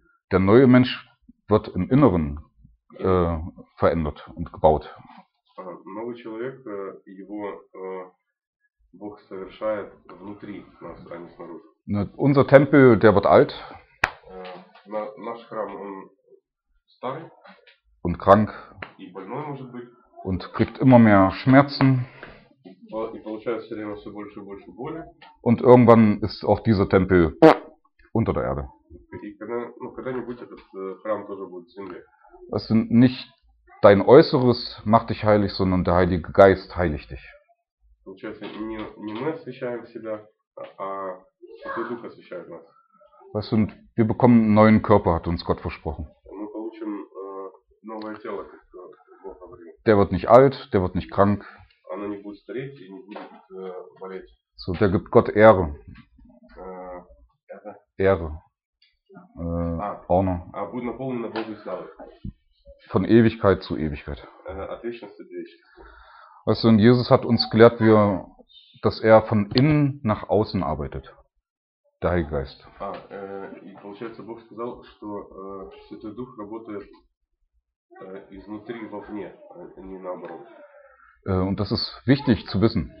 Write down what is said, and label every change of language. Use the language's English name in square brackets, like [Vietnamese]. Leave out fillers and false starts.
[German] Der neue Mensch wird im Inneren verändert und gebaut. [Russian] Новый человек, его Бог совершает внутри нас, а не снаружи. [German] Unser Tempel, der wird alt. [Russian] Наш храм, он старый. [German] Und krank. [Russian] И больной, может быть. [German] Und kriegt immer mehr Schmerzen. [Russian] И получается все время все больше и больше боли. [German] Und irgendwann ist auch dieser Tempel unter der Erde. [Russian] И когда, ну, когда-нибудь этот храм тоже будет в земле. [German] Das sind nicht dein Äußeres macht dich heilig, sondern der Heilige Geist heiligt dich. [Russian] Получается, не мы освящаем себя, а Святой Дух освящает нас. [German] Weißt du, wir bekommen einen neuen Körper, hat uns Gott versprochen. [Russian] Мы получим новое тело, как Бог говорил. [German] Der wird nicht alt, der wird nicht krank. [Russian] Оно не будет стареть и не будет болеть. [German] So, der gibt Gott Ehre. Ehre. [English] Honor. [Russian] А будет наполнено Божьей славой. [German] Von Ewigkeit zu Ewigkeit. [Russian] От вечности до вечности. [German] Weißt du, und Jesus hat uns gelehrt, dass er von innen nach außen arbeitet. Der Heilige Geist. [Russian] И получается, Бог сказал, что Святой Дух работает изнутри вовне, а не наоборот. [German] Und das ist wichtig zu wissen.